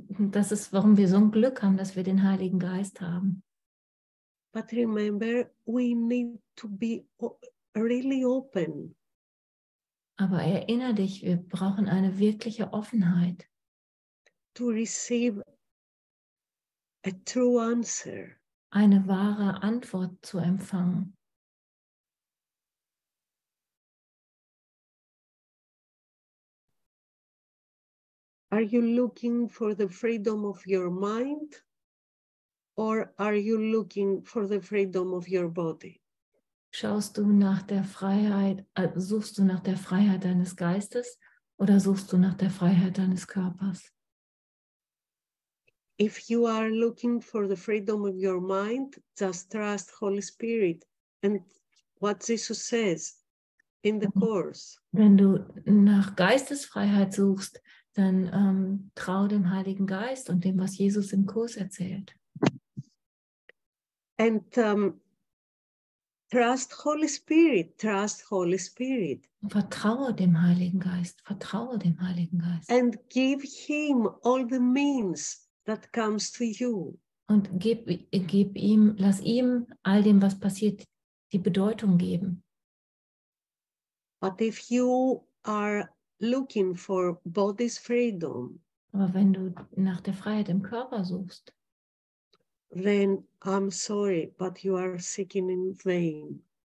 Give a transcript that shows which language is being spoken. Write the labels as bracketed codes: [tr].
[de] Das ist, warum wir so ein Glück haben, dass wir den Heiligen Geist haben. [en] But remember, we need to be really open. [de] Aber erinnere dich, wir brauchen eine wirkliche Offenheit. [en] To receive a true answer. [de] Eine wahre Antwort zu empfangen. [en] Are you looking for the freedom of your mind or are you looking for the freedom of your body? [de] Schaust du nach der Freiheit, suchst du nach der Freiheit deines Geistes oder suchst du nach der Freiheit deines Körpers? [en] If you are looking for the freedom of your mind, just trust Holy Spirit and what Jesus says in the Course. [de] Wenn du nach Geistesfreiheit suchst, dann trau dem Heiligen Geist und dem, was Jesus im Kurs erzählt. [en] And trust Holy Spirit, trust Holy Spirit. [de] Vertraue dem Heiligen Geist, vertraue dem Heiligen Geist. [en] And give him all the means that comes to you. [de] Und gib ihm, lass ihm all dem, was passiert, die Bedeutung geben. [en] But if you are looking for body's freedom, [de] aber wenn du nach der Freiheit im Körper suchst, [en] then I'm sorry, but you are seeking in vain.